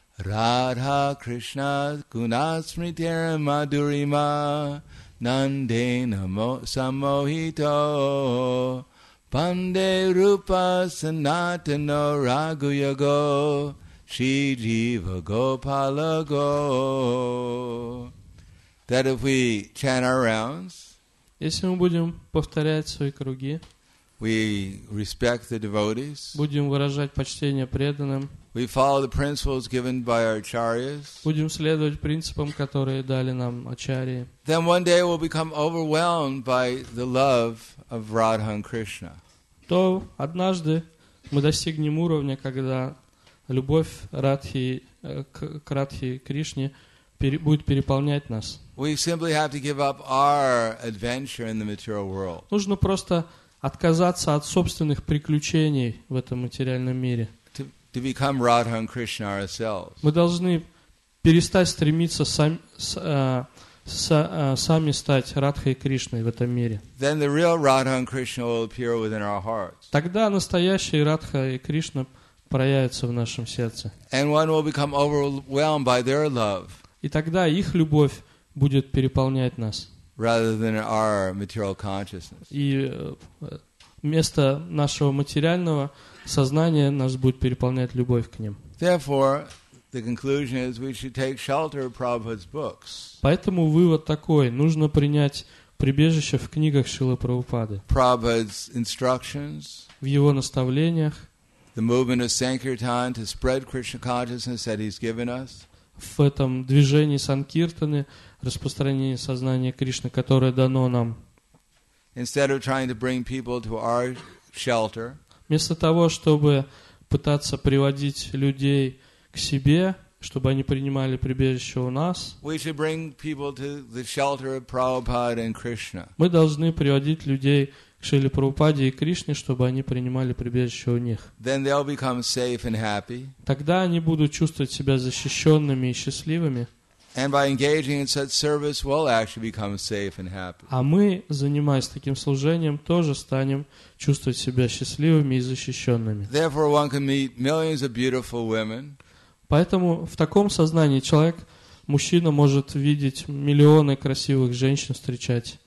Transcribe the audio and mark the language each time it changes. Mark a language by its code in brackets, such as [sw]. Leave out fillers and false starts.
[sa] Radha Krishna Kunasmritera Madhurima Nandena Samohito Pande Rupa Sanatana Raguyago Shri Jiva Gopala Go. [en] That if we chant our rounds, [ru] если мы будем повторять свои круги, [en] we respect the devotees, [ru] будем выражать почтение преданным, [en] we follow the principles given by our acharyas, [ru] будем следовать принципам, которые дали нам ачарьи, [en] then one day we'll become overwhelmed by the love of Radha and Krishna. [ru] То однажды мы достигнем уровня, когда любовь Радхи, к Радхи Кришне будет переполнять нас. [en] We simply have to give up our adventure in the material world. [ru] Нужно просто отказаться от собственных приключений в этом материальном мире. [en] To become Radha and Krishna ourselves. [ru] Мы должны перестать стремиться сами стать Радхой и Кришной в этом мире. [en] Then the real Radha and Krishna will appear within our hearts. [ru] Тогда настоящие Радха и Кришна проявится в нашем сердце. [en] And one will become overwhelmed by their love. [ru] И тогда их любовь будет переполнять нас. [en] Rather than our material consciousness. [ru] И вместо нашего материального сознания нас будет переполнять любовь к ним. [en] Therefore, the conclusion is we should take shelter of Prabhupada's books. [ru] Поэтому вывод такой: нужно принять прибежище в книгах Шрилы Прабхупады. [en] Prabhupada's instructions. [ru] В его наставлениях. [en] The movement of Sankirtan to spread Krishna consciousness that He's given us. [ru] В этом движении санкиртаны, распространение сознания Кришны, которое дано нам. [en] Instead of trying to bring people to our shelter. [ru] Вместо того, чтобы пытаться приводить людей к себе, чтобы они принимали прибежище у нас. [en] We should bring people to the shelter of Prabhupada and Krishna. [ru] Мы должны приводить людей к Шриле Прабхупаде и Кришне, чтобы они принимали прибежище у них. [en] Then they'll become safe and happy. [ru] Тогда они будут чувствовать себя защищенными и счастливыми. [en] And by engaging in such service, we'll actually become safe and happy. [ru] А мы, занимаясь таким служением, тоже станем чувствовать себя счастливыми и защищенными. [en] Therefore, one can meet millions of beautiful women. [ru] Поэтому в таком сознании человек, мужчина, может видеть миллионы красивых женщин встречать.